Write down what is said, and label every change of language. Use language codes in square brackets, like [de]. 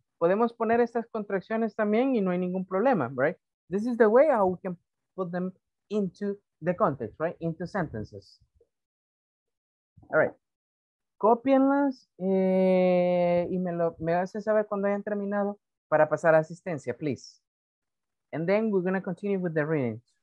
[es] Podemos poner estas contracciones también y no hay ningún problema, right? [en] This is the way how we can put them into the context, right? Into sentences. [es] All right, copienlas y me hacen saber cuando hayan terminado para pasar a asistencia, please. [en] And then we're going to continue with the reading.